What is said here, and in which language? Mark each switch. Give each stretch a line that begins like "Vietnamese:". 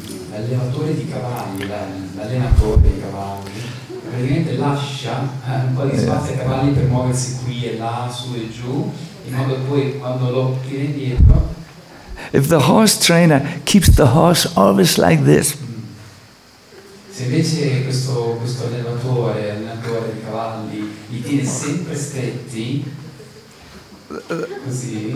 Italian: L'allenatore di cavalli, l'allenatore dei cavalli, praticamente lascia un po' di spazio ai cavalli per muoversi qui e là, su e giù, in modo che poi quando lo tiene dietro.
English: If the horse trainer keeps the horse always like this.
Italian: Se invece questo allenatore di cavalli li tiene sempre stretti, così,